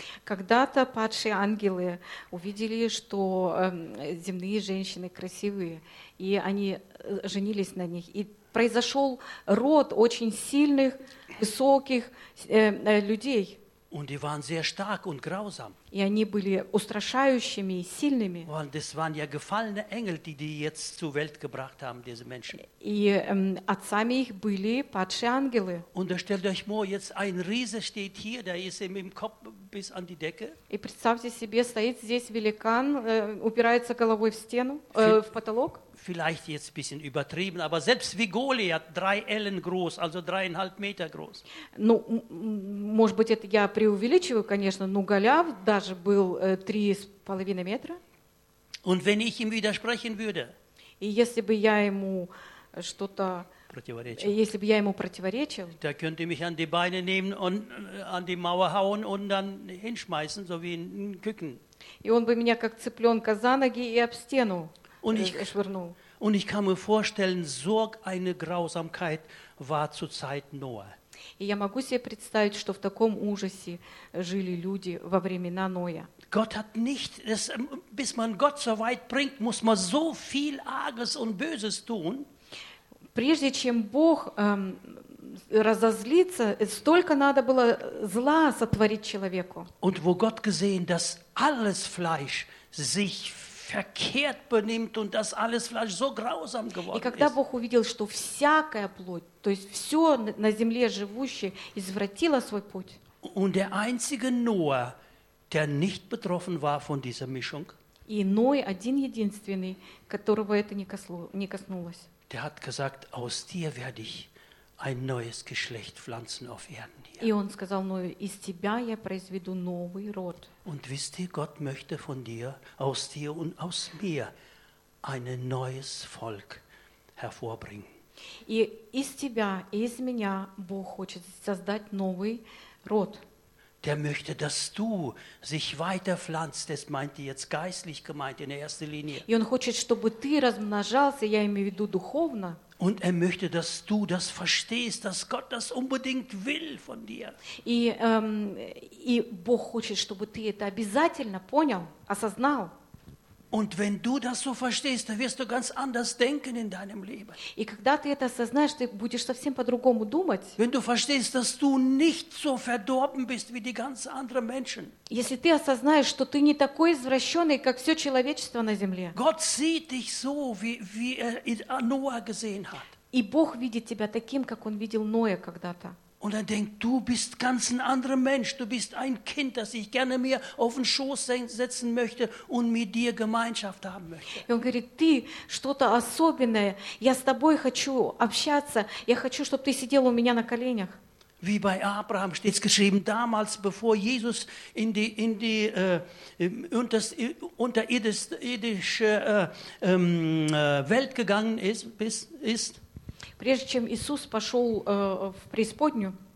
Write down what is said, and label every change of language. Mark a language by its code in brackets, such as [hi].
[ru] Когда-то падшие ангелы увидели, что земные женщины красивые, и они женились на них. И произошел род очень сильных, высоких людей. [de] Und die waren sehr stark und grausam. [ru] И они были устрашающими и сильными. [de] Und das waren ja gefallene Engel, die jetzt zur Welt gebracht haben, diese Menschen. [ru] И отцами их были падшие ангелы. [de] Und stellt euch mal, jetzt ein Riese steht hier, der ist ihm im Kopf bis an die Decke. [ru] И представьте себе, стоит здесь великан, упирается головой в стену, в потолок. [de] Vielleicht jetzt ein bisschen übertrieben, aber selbst wie Goliath, 3 Ellen groß, also 3,5 Meter groß. [ru] Ну, может быть, это я преувеличиваю, конечно, но Голиаф даже был 3,5 метра. [de] Und wenn ich ihm widersprechen würde, [ru] и если бы я ему что-то если бы я ему противоречил, [de] da könnte mich an die Beine nehmen und an die Mauer hauen und dann hinschmeißen, so wie ein Küken. [ru] И он бы меня как цыпленка за ноги и об стену. [de] Und ich kann mir vorstellen, so eine Grausamkeit war zur Zeit Noah. [ru] И я могу себе представить, что в таком ужасе жили люди во времена Ноя. [de] Gott hat nicht, bis man Gott so weit bringt, muss man so viel Arges und Böses tun. [ru] Прежде чем Бог разозлиться, столько надо было зла сотворить человеку. [de] Und wo Gott gesehen, dass alles Fleisch sich verkehrt benimmt und dass alles Fleisch so grausam geworden ist. [ru] И когда Бог увидел, что всякая плоть, то есть все на земле живущее, извратило свой путь. [de] Und der einzige Noah, der nicht betroffen war von dieser Mischung. [ru] И Ной один единственный, которого это не коснулось. [de] Der hat gesagt: Aus dir werde ich ein neues Geschlecht pflanzen auf Erden. [ru] И он сказал Ною: из тебя я произведу новый род. [de] Und wisst ihr, Gott möchte von dir, aus dir und aus mir ein neues Volk hervorbringen. [ru] И из тебя и из меня Бог хочет создать новый род. [de] Der möchte, dass du sich weiter pflanzt. Das meint er jetzt geistlich gemeint in erster Linie. [ru] И он хочет, чтобы ты размножался, я имею в виду духовно. [de] Und möchte, dass du das verstehst, dass Gott das unbedingt will von dir. [ru] И Бог хочет, чтобы ты это обязательно понял, осознал. [de] Und wenn du das so verstehst, dann wirst du ganz anders denken in deinem Leben. [ru] И когда ты это осознаешь, ты будешь совсем по-другому думать. [de] Wenn du verstehst, dass du nicht so verdorben bist wie die ganzen anderen Menschen. [ru] Если ты осознаешь, что ты не такой извращенный, как все человечество на земле. [de] Gott sieht dich so, wie er Noah gesehen hat. [ru] И Бог видит тебя таким, как он видел Ноя когда-то. [de] Und dann denkt, du bist ganz ein anderer Mensch, du bist ein Kind, das ich gerne mir auf den Schoß setzen möchte und mit dir Gemeinschaft haben möchte. [ru] Он говорит: "Ты что-то особенное. Я с тобой хочу общаться. Я хочу, чтобы ты сидел у меня на коленях." [de] Wie bei Abraham steht es geschrieben, damals, bevor Jesus in die unterirdische Welt gegangen ist. [ru] Прежде чем Иисус пошел в преисподнюю,